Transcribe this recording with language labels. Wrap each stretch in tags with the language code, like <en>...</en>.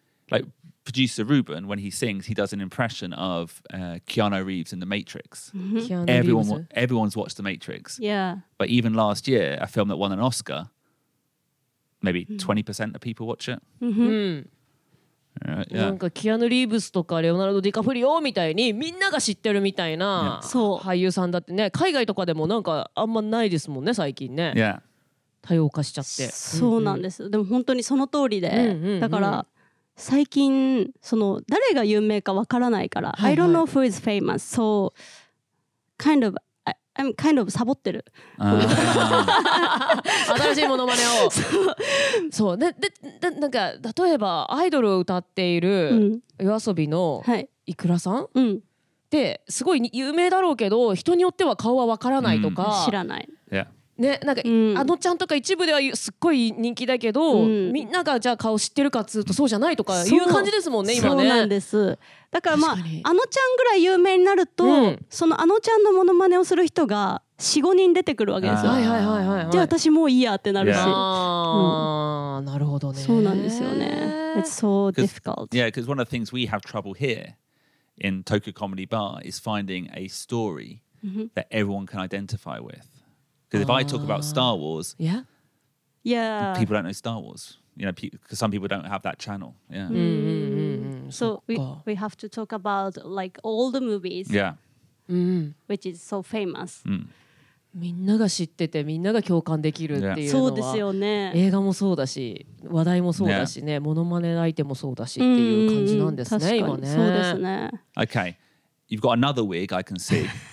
<en>Like producer Ruben, when he sings, he does an impression of Keanu Reeves in The Matrix. Everyone's watched The Matrix. Yeah. But even last year, a film that won an Oscar, maybe 20% of people watch it. Yeah.</en> <ja>なんかキアヌ・リーブスとかレオナルド・ディカプリオみたいにみんなが知ってるみたいな俳優さんだってね海外とかでもなんかあんまないですもんね最近ね、</ja> <en>yeah.</en> <ja>多様化しちゃってそうなんです、うんうん、でも本当にその通りで、うんうんうん、だから最近その誰が有名かわからないから、はいはい、</ja> <en>I don't know who is famous so kind ofI'm kind of</en> <ja>サボってる。新しいモノマネを。そう。で、なんか例えばアイドルを歌っている YOASOBI のイクラさん、はい、ってすごい有名だろうけど人によっては顔はわからないとか、知らない。ね、なんか、あのちゃんとか一部ではすっごい人気だけど、みんながじゃあ顔知ってるかっつうとそうじゃないとかいう感じですもんね、今ね。そうなんです。だからまあ、あのちゃんぐらい有名になると、そのあのちゃんのモノマネをする人が 4,5 人出てくるわけですよ。はいはいはいはい。じゃあ私もういいやってなるし。なるほどね。そうなんですよね。</ja> <en>It's so difficult. Yeah, because one of the things we have trouble here in Tokyo Comedy Bar is finding a story that everyone can identify with. Because if I talk about Star Wars, people don't know Star Wars. You know, because some people don't have that channel. Yeah. So we have to talk about like all the movies. Yeah. Which is so famous.</en> <ja>みんなが知っててみんなが共感できるっていうのは、そうですよね。映画もそうだし、話題もそうだしね、モノマネ相手もそうだしっていう感じなんですね、今ね。そうですね。</ja> <en>Okay. You've got another wig I can see.</en>